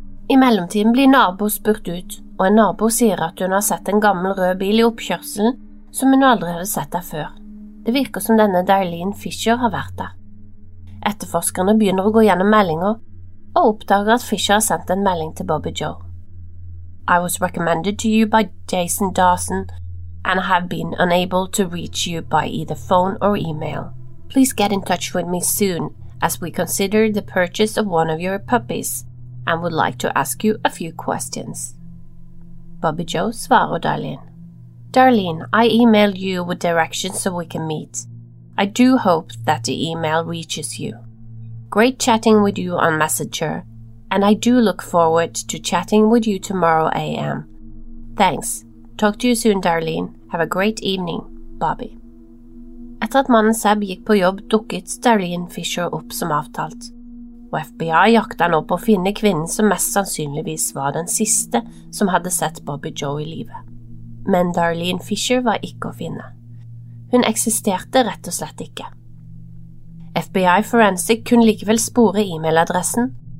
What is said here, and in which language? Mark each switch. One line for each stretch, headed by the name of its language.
Norwegian: I mellomtiden blir nabo spurt ut, og en nabo sier at hun har sett en gammel rød bil i oppkjørselen som hun aldri hadde sett der før. Det virker som denne Darlene Fisher har vært der. Etterforskerne begynner å gå gjennom meldinger, og oppdager at Fisher har sendt en melding til Bobby Joe.
English: «I was recommended to you by Jason Dawson, and I have been unable to reach you by either phone or email. Please get in touch with me soon, as we consider the purchase of one of your puppies, and would like to ask you a few questions.»
Norwegian: Bobby Joe svarer Darlene.
English: Darlene, I emailed you with directions so we can meet. I do hope that the email reaches you. Great chatting with you on Messenger, and I do look forward to chatting with you tomorrow AM. Thanks. Talk to you soon, Darlene. Have a great evening, Bobby.
Norwegian: Etter at mannen Seb gikk på jobb, dukket Darlene Fisher opp som avtalt. Og FBI jakta nå på å finne kvinnen som mest sannsynligvis var den siste som hadde sett Bobby Joe i livet. Men Darlene Fisher var ikke å finne. Hun eksisterte rett og slett ikke. FBI Forensic kunne likevel spore e-mailadressen,